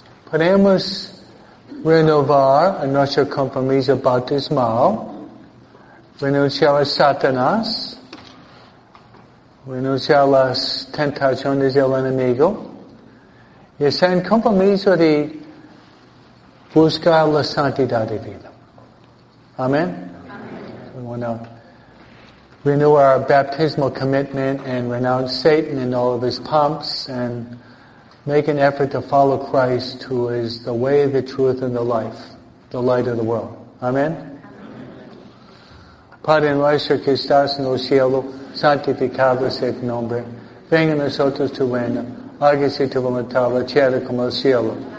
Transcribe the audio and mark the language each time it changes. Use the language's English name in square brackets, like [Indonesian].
[Spanish] Podemos renovar a nuestro compromiso bautismal, renunciar a Satanás, renunciar a las tentaciones del enemigo, y hacer un compromiso de buscar la santidad de vida. Amén. Amén. [English] Renew our baptismal commitment and renounce Satan and all of his pomps and make an effort to follow Christ, who is the way, the truth, and the life, the light of the world. Amen. [Spanish] Padre nuestro que estás en el cielo, santificado sea tu nombre. Venga a nosotros tu reino. Hágase tu voluntad, la tierra como el cielo.